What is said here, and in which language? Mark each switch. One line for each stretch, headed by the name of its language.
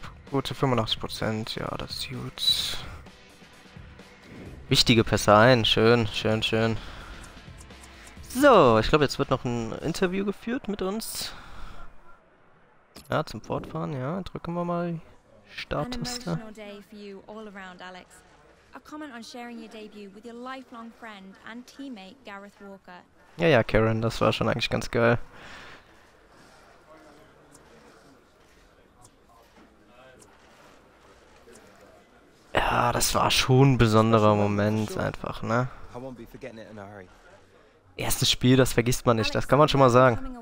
German: Gute 85%, ja, das ist gut. Wichtige Pässe ein, schön, schön, schön. So, ich glaube, jetzt wird noch ein Interview geführt mit uns. Ja, zum Fortfahren, ja, drücken wir mal Starttaste.
English: An emotional day for you all around, Alex. A comment on sharing your debut with your lifelong friend and teammate Gareth Walker.
German: Ja, ja, Karen, das war schon eigentlich ganz geil. Ja, das war schon ein besonderer Moment einfach, ne? Erstes Spiel, das vergisst man nicht, das kann man schon mal sagen.